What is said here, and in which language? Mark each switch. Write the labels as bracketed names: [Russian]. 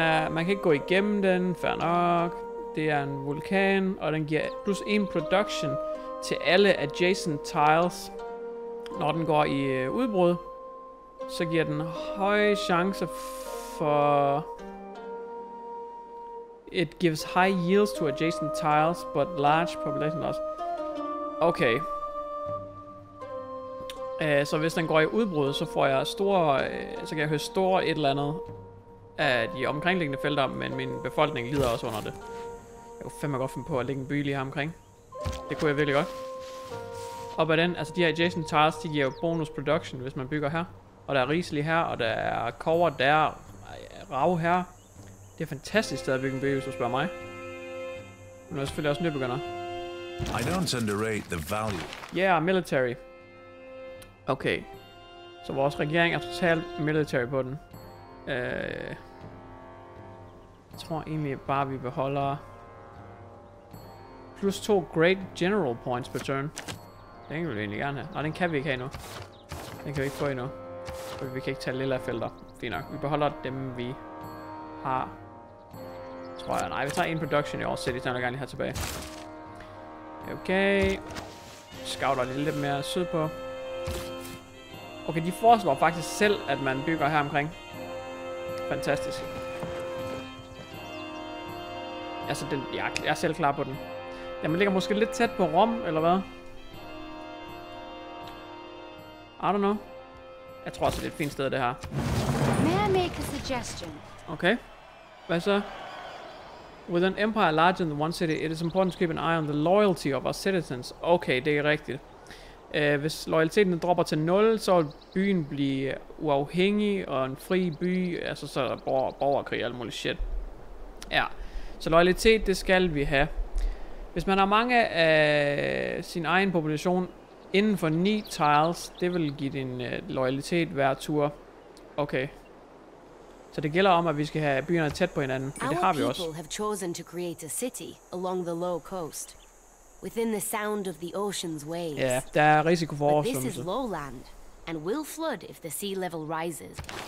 [Danish] Man kan ikke gå igennem den, fair nok. Det er en vulkan, og den giver plus 1 production til alle adjacent tiles. Når den går i udbrud, så giver den høje chancer for... [English] It gives high yields to adjacent tiles, but large population loss. [Danish] Okay. Så hvis den går i udbrud, så får jeg store, så kan jeg høre store et eller andet af de omkringliggende felter, men min befolkning lider også under det. Jeg kunne fandme godt finde på at lægge en by lige her omkring. Det kunne jeg virkelig godt. Og hvordan, altså de her adjacent tiles, de giver jo bonus production, hvis man bygger her. Og der er riselig her, og der er kover der, rav her. Det er fantastisk sted at bygge en by, hvis du spørger mig. Men er selvfølgelig også nybegynder. [English] I don't underrate the value. Yeah, military. [Danish] Okay. Så vores regering er totalt military på den. Jeg tror egentlig bare, vi beholder... [English] Plus 2 great general points per turn. [Danish] Den kan vi egentlig gerne have. Nej, den kan vi ikke have endnu. Den kan vi ikke få endnu. For vi kan ikke tage lilla felter. Fint nok. Vi beholder dem, vi har... Tror jeg, nej, vi tager en production i All City, så er der gerne lige her tilbage. Okay. Scouter lige lidt mere syd på. Okay, de foreslår faktisk selv, at man bygger her omkring. Fantastisk. Altså, jeg er selv klar på den. Jamen, ligger måske lidt tæt på Rom, eller hvad? [English] I don't know. [Danish] Jeg tror også, det er et fint sted, det her. [English] May I make a suggestion? [Danish] Okay. Hvad så? [English] With an empire larger than one city, it is important to keep an eye on the loyalty of our citizens. [Danish] Okay, det er rigtigt. Hvis loyaliteten dropper til 0, så vil byen blive uafhængig og en fri by. Altså, så er der borgerkrig og alt muligt shit. Ja. Så loyalitet, det skal vi have. Hvis man har mange af sin egen population inden for 9 tiles, det vil give din loyalitet hver tur. Okay. Så det gælder om, at vi skal have byerne tæt på hinanden, men det har vi også. [English] Our people have chosen to create a city along the low coast, within the sound of the ocean's waves. [Danish] Ja, der er risiko for oversvømmelse. [English] But this is lowland, and will flood if the sea level rises.